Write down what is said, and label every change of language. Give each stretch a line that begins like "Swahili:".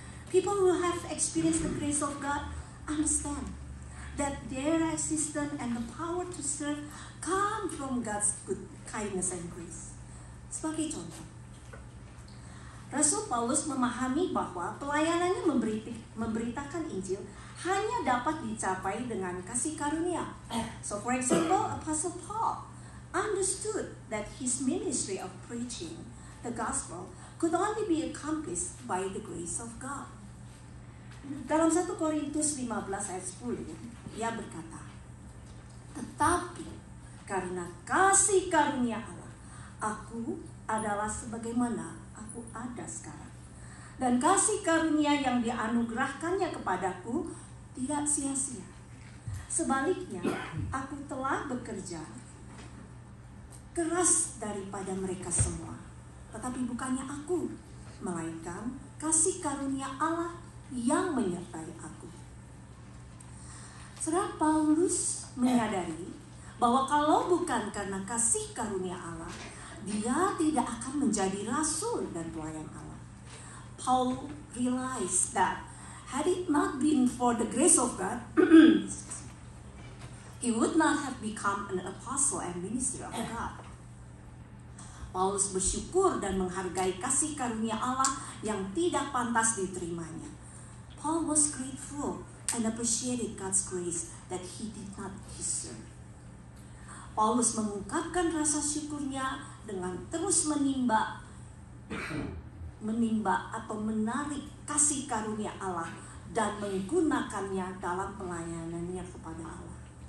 English: People who have experienced the grace of God understand that their existence and the power to serve come from God's good kindness and grace.
Indonesian: Sebagai contoh, Rasul Paulus memahami bahwa pelayanannya memberitakan Injil hanya dapat dicapai dengan kasih karunia.
English: So for example, Apostle Paul understood that his ministry of preaching the gospel could only be accomplished by the grace of God.
Indonesian: Dalam 1 Korintus 15 ayat 10, ia berkata, "Tetapi karena kasih karunia Allah, aku adalah sebagaimana aku ada sekarang. Dan kasih karunia yang dianugerahkannya kepadaku tidak sia-sia. Sebaliknya, aku telah bekerja keras daripada mereka semua. Tetapi bukannya aku, melainkan kasih karunia Allah yang menyertai aku." Saudara, Paulus menyadari bahwa kalau bukan karena kasih karunia Allah, dia tidak akan menjadi rasul dan pelayan Allah.
English: Paul realized that had it not been for the grace of God, he would not have become an apostle and minister of God.
Indonesian: Paulus bersyukur dan menghargai kasih karunia Allah yang tidak pantas diterimanya.
English: Paul was grateful and appreciated God's grace that he did not deserve.
Indonesian: Paulus mengungkapkan rasa syukurnya dengan terus menimba atau menarik kasih karunia Allah dan menggunakannya dalam pelayanannya kepada Allah.